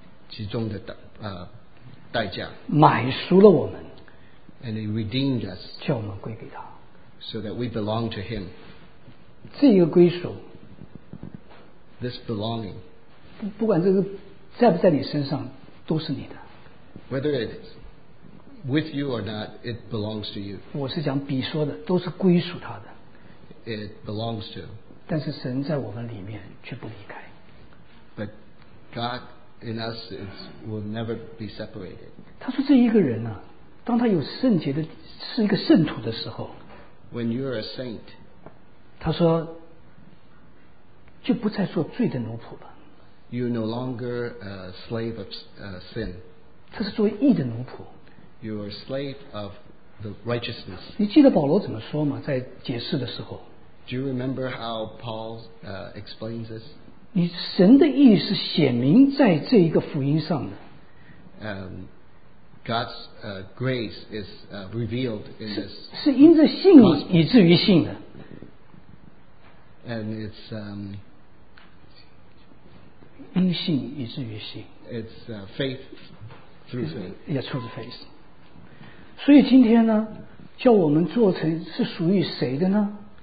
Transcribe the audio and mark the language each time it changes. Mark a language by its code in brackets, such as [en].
[zh] 极重的代价。买赎了我们。 [en] And He redeemed us. [zh] 叫我们归给他。 [en] So that we belong to Him. [zh] 这一个归属, [en] this belonging, [zh] 不管这个在不在你身上, 都是你的。 [en] Whether it's with you or not, it belongs to you. [zh] 我是讲笔说的, 都是归属他的。 [en] It belongs to. [zh] 但是神在我们里面却不离开。 [en] But God in us will never be separated. [zh] 他说这一个人啊, 当他有圣洁的, 是一个圣徒的时候, [en] When you're a saint, [zh] 他说就不再做罪的奴仆了。 [en] You're no longer a slave of sin. [zh] 他是做义的奴仆。 [en] You're a slave of the righteousness. [zh] 你记得保罗怎么说吗？在解释的时候。 [en] Do you remember how Paul explains this? [zh] 你神的义是显明在这一个福音上的。 [en] God's grace is revealed in this. [zh] 是因着信以至于信的。 [en] And it's [zh] 因信以至于信。 [en] It's faith through faith. Yeah, through faith. [zh] 所以今天呢，叫我们做成是属于谁的呢？